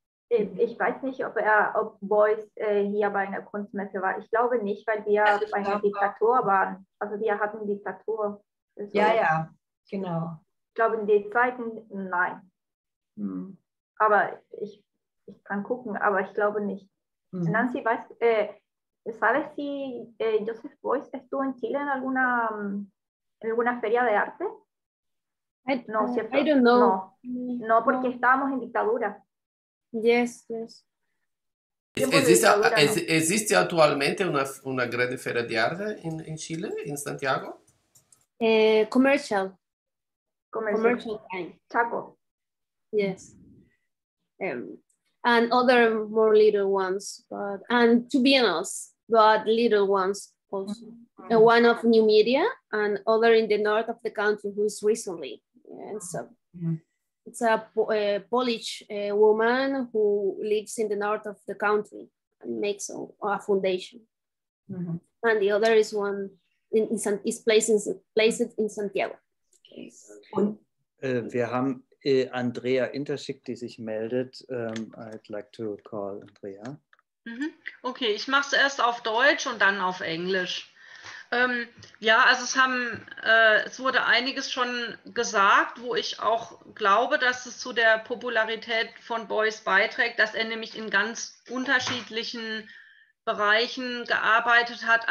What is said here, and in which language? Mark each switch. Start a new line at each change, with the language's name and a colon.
German: Ich weiß nicht, ob Beuys hier bei einer Kunstmesse war. Ich glaube nicht, weil wir bei einer Diktatur waren. Also wir hatten Diktatur. So. Ja, ja, genau. Ich glaube in den Zeiten, nein. Hm. Aber ich kann gucken, aber ich glaube nicht. Hm.
Spanish: Nancy, ¿sabes si Joseph Beuys estuvo en Chile en alguna feria de arte? No, ¿cierto?
English: I don't know.
Spanish: No, porque estábamos en dictadura.
English: Yes, yes.
Italian: Existe attualmente una grande feria di arte in Chile, in Santiago?
English: Commercial. Commercial. Chaco. Yes. And other more little ones, but and two Biennales, but little ones also. Mm-hmm. One of New Media and other in the north of the country who's recently. And so. Mm-hmm. It's a Polish woman who lives in the north of the country and makes a foundation. Mm-hmm. And the other is one is placed in Santiago.
German: Und wir haben Andrea Interschick, die sich meldet.
English: I'd like to call Andrea. Mm-hmm.
German: Okay, ich mache es erst auf Deutsch und dann auf Englisch. Ja, also es wurde einiges schon gesagt, wo ich auch glaube, dass es zu der Popularität von Beuys beiträgt, dass er nämlich in ganz unterschiedlichen Bereichen gearbeitet hat.